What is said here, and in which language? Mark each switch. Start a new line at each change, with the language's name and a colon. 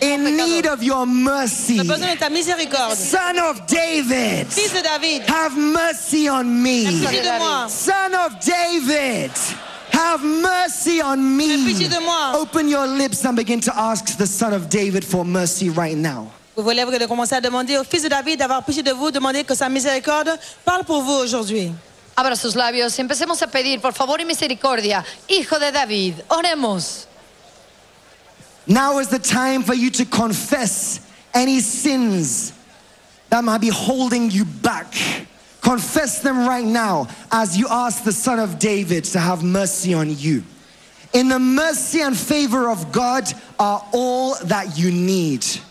English: In need of your mercy.
French: J'ai besoin de ta miséricorde.
English: Son of David.
French: Fils de David.
English: Have mercy on me.
French: Aie pitié de moi.
English: Son of David. Have mercy on me. Open your lips and begin to ask the Son of David for mercy right now.
French: Vous voulez vous commencer à demander au Fils de David d'avoir pitié de vous, demander que sa miséricorde parle pour vous aujourd'hui.
Spanish: Abra sus labios y empecemos a pedir por favor y misericordia, Hijo de David. Oremos.
English: Now is the time for you to confess any sins that might be holding you back. Confess them right now as you ask the Son of David to have mercy on you. In the mercy and favor of God are all that you need.